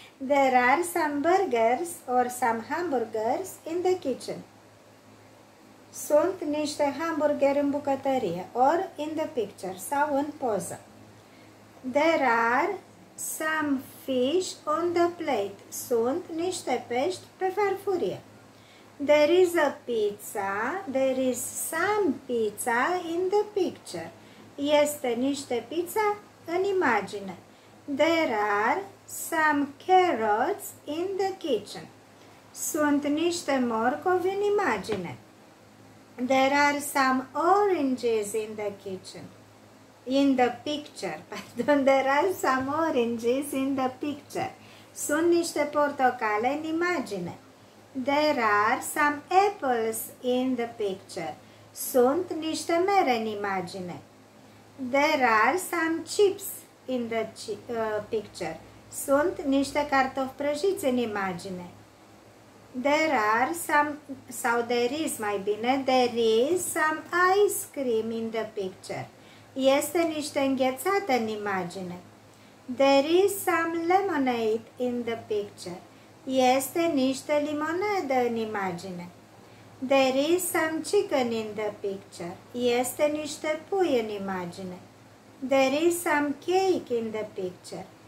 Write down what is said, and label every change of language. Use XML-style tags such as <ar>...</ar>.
<en>There are some burgers or some hamburgers in the kitchen.</en> <ro>Sunt niște hamburgeri în bucătărie,</ro> <en>or in the picture,</en> <ro>sau în poză.</ro> <en>There are some fish on the plate.</en> <ro>Sunt niște pești pe farfurie.</ro> <en>There is a pizza, there is some pizza in the picture.</en> <ro>Este niște pizza în imagine.</ro> <en>There are some carrots in the kitchen.</en> <ro>Sunt niște morcovi în imagine.</ro> <en>There are some oranges in the kitchen. In the picture, pardon, there are some oranges in the picture.</en> <ro>Sunt niște portocale în imagine.</ro> <en>There are some apples in the picture.</en> <ro>Sunt niște mere în imagine.</ro> <en>There are some chips in the picture.</en> <ro>Sunt niște cartofi prăjiți în imagine.</ro> <en>There are some, sau there is mai bine, there is some ice cream in the picture.</en> <ro>Este niște înghețată în imagine.</ro> <en>There is some lemonade in the picture.</en> <ro>Este niște limonadă în imagine.</ro> <en>There is some chicken in the picture.</en> <ro>Este niște pui în imagine.</ro> <en>There is some cake in the picture.</en>